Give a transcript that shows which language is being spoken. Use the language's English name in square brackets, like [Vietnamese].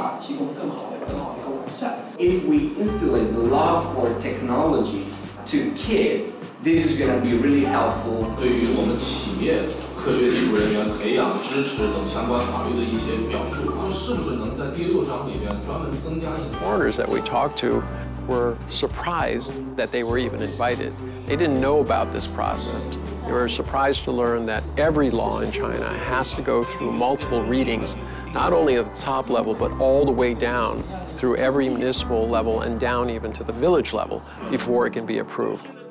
[English] If we instillate the love for technology to kids, this is going to be really helpful. [Chinese] 对于我们企业科学技术人员培养、支持等相关法律的一些表述，它是不是能在第六章里面专门增加一些 [English] ？Foreigners that we talked to were surprised that they were even invited. They didn't know about this process. They were surprised to learn that every law in China has to go through multiple readings, not only at the top level, but all the way down through every municipal level and down even to the village level before it can be approved.